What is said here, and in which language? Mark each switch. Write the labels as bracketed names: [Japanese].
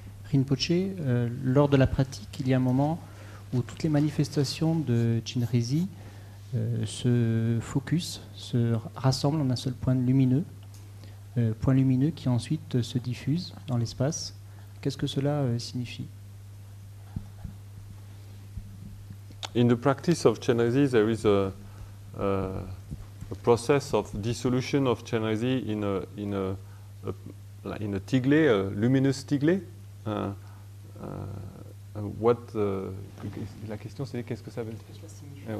[French] Rinpoche, lors de la pratique, il y a un moment où toutes les manifestations de Chinrezi se focus, se rassemblent en un seul point lumineux qui ensuite se diffuse dans l'espace. Qu'est-ce que cela signifie? [English] In the practice of Chinrezi, there is a process of dissolution of Chinrezi in a tigle, a luminous tigle. [French] La question c'est qu'est-ce que ça veut dire?